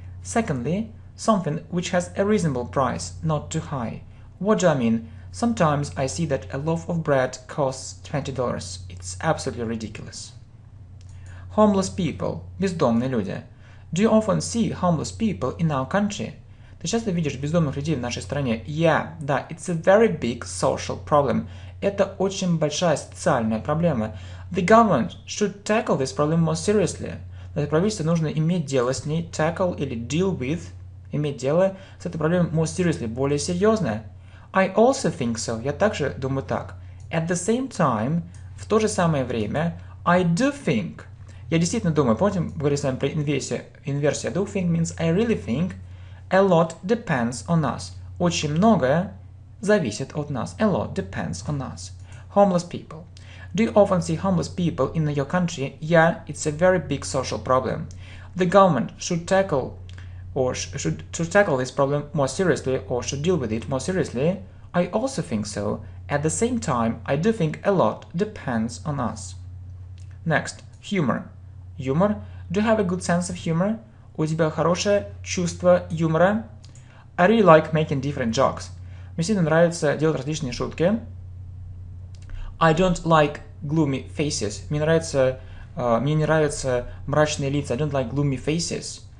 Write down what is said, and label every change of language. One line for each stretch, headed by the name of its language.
English: Secondly, something which has a reasonable price, not too high. What do I mean? Sometimes I see that a loaf of bread costs $20. It's absolutely ridiculous. Homeless people.
Russian: Бездомные люди.
English: Do you often see homeless people in our country?
Russian: Ты часто видишь бездомных людей в нашей стране?
English: Yeah, да, it's a very big social problem.
Russian: Это очень большая социальная проблема.
English: The government should tackle this problem more seriously.
Russian: Для правительства нужно иметь дело с ней, tackle или deal with, иметь дело с этой проблемой
English: more seriously,
Russian: более серьезно.
English: I also think so.
Russian: Я также думаю так.
English: At the same time,
Russian: в то же самое время,
English: I do think.
Russian: Я действительно думаю, помните, мы говорили с вами про инверсию.
English: I do think means I really think. A lot depends on us.
Russian: Очень многое зависит от нас.
English: A lot depends on us. Homeless people. Do you often see homeless people in your country? Yeah, it's a very big social problem. The government should tackle this problem more seriously or should deal with it more seriously. I also think so. At the same time, I do think a lot depends on us. Next, humor.
Russian: Юмор?
English: Do you have a good sense of humor?
Russian: У тебя хорошее чувство юмора?
English: I really like making different jokes.
Russian: Мне сильно нравится делать различные шутки.
English: I don't like gloomy faces.
Russian: Мне не нравятся мрачные лица.
English: I don't like gloomy faces.